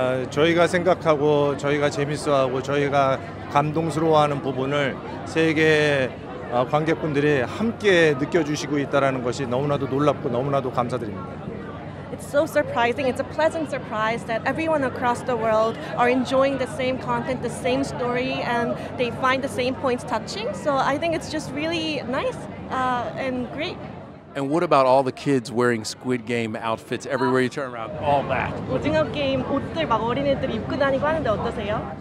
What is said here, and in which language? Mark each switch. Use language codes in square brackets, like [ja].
[ko] 저희가 생각하고 저희가 재밌어하고 저희가 감동스러워하는 부분을 세계 관객분들이 함께 느껴주시고 있다라는 것이 너무나도 놀랍고 너무나도 감사드립니다. [en] It's so surprising. It's a pleasant surprise that everyone across the world are enjoying the same content, the same story, and they find the same points touching. So I think it's just really nice and great. And what about all the kids wearing Squid Game outfits everywhere you turn around? All that. [ko] 오징어 게임 옷들 막 어린애들 입고 다니고 하는데 어떠세요?